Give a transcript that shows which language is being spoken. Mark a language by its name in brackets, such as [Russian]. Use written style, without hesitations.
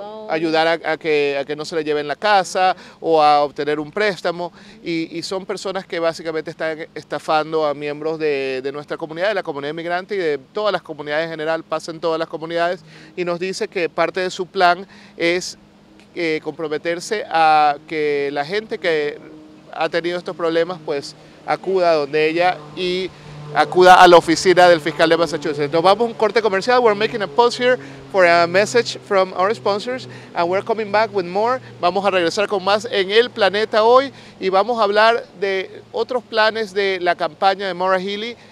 [Spanish] ayudar a que no se le lleven la casa o a obtener un préstamo y son personas que básicamente están estafando a miembros de nuestra comunidad, de la comunidad inmigrante y de todas las comunidades en general, pasan todas las comunidades y nos dice que parte de su plan es comprometerse a que la gente que ha tenido estos problemas pues acuda donde ella y acuda a la oficina del fiscal de Massachusetts. Nos vamos a un corte comercial. [English] We're making a pause here for a message from our sponsors and we're coming back with more. [Spanish] Vamos a regresar con más en El Planeta Hoy y vamos a hablar de otros planes de la campaña de MauraHealey.